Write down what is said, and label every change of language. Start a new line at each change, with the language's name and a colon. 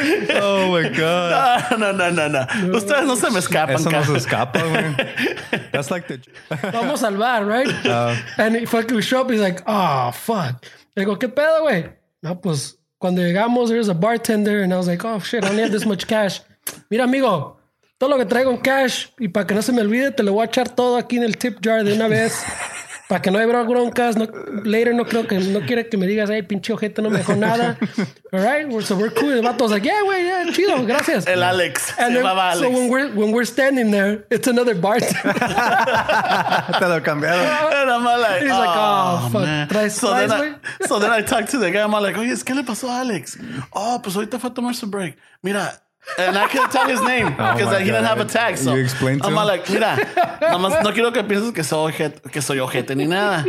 English: Oh my god.
Spanish: No. Ustedes no se me escapan. Eso no se escapa, man. That's like the. Vamos al bar, right?
English: And if I could show up, he's like, oh, fuck.
Spanish: Le digo, ¿qué pedo, güey? No, pues. Cuando llegamos,
English: there's a bartender, and I was like, oh, shit, I only have this much cash.
Spanish: Mira, amigo, todo lo que traigo en cash, y para que no se me olvide, te lo voy a echar todo aquí en el tip jar de una vez, para que no haya broncas. No, later, no quiere que me digas, hey, pinche ojete, no me dejó nada.
English: All right, so we're cool. El vato's like, yeah, güey, yeah,
Spanish: chido, gracias. El Alex.
English: And then, Alex. So when we're standing there, it's another bartender.
Spanish: Te lo cambiaron.
English: And I'm like, and he's like, oh fuck. So then I talked to the guy. I'm like,
Spanish: oye, ¿qué le pasó a Alex? Oh, pues ahorita fue a tomar su break.
English: Mira, and I couldn't tell his name because he didn't have a tag. So you explained to I'm him? Like,
Spanish: mira, nomás no quiero que pienses que soy ojete ni nada.